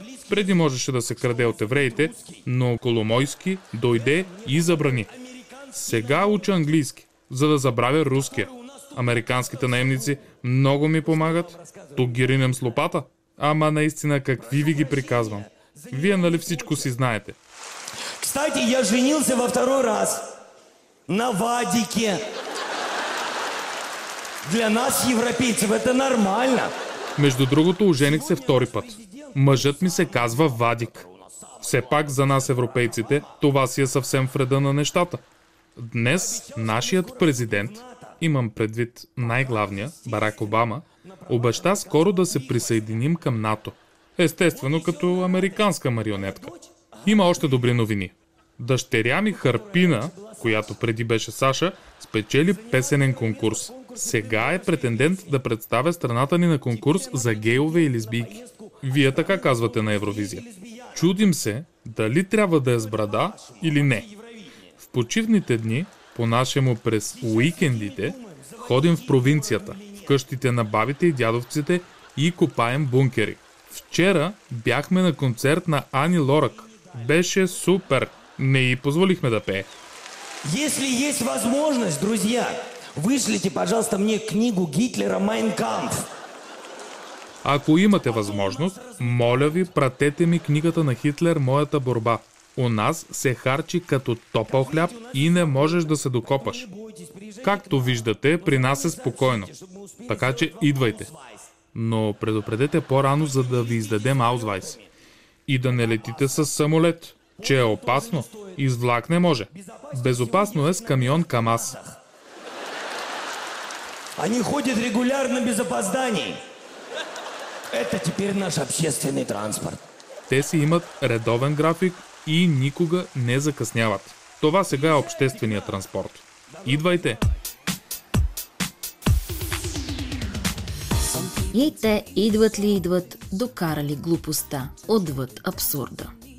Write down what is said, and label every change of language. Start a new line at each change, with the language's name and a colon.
Bulgarian: Преди можеше да се краде от евреите, но Коломойски дойде и забрани. Сега уча английски, за да забравя руския. американските наемници много ми помагат. Тук ги ринем с лопата. Ама наистина, какви ви ги приказвам? Вие нали всичко си знаете?
Russian: Кстати, я женился во второй раз на Вадике. Для нас, европейцев, это нормально.
Bulgarian: Между другото, ожених се втори път. Мъжът ми се казва Вадик. Все пак за нас, европейците, това си е съвсем в реда на нещата. Днес нашият президент, имам предвид най-главния, Барак Обама, обеща скоро да се присъединим към НАТО. Естествено, като американска марионетка. Има още добри новини. Дъщеря ми Харпина, която преди беше Саша, спечели песенен конкурс. Сега е претендент да представя страната ни на конкурс за гейове и лесбийки. Вие така казвате на Евровизия. Чудим се дали трябва да е с брада или не. В почивните дни, по-нашему през уикендите, ходим в провинцията, в къщите на бабите и дядовците и копаем бункери. Вчера бяхме на концерт на Ани Лорак. Беше супер! Не й позволихме да пее.
Russian: Если есть возможность, друзья, вышлите, пожалуйста, мне книгу Гитлера «Майн камф».
Bulgarian: Ако имате възможност, моля ви, пратете ми книгата на Хитлер «Моята борба». У нас се харчи като топъл хляб и не можеш да се докопаш. Както виждате, при нас е спокойно. Така че идвайте. Но предупредете по-рано, за да ви издадем аузвайс. И да не летите с самолет, че е опасно. И с влак не може. Безопасно е с камион КамАЗ.
Russian: Они ходят регулярно без опозданий. Это теперь наш общественный транспорт.
Bulgarian: Те си имат редовен график и никога не закъсняват. Това сега е обществения транспорт. Идвайте! И те идват ли идват, докарали глупостта, отвъд абсурда.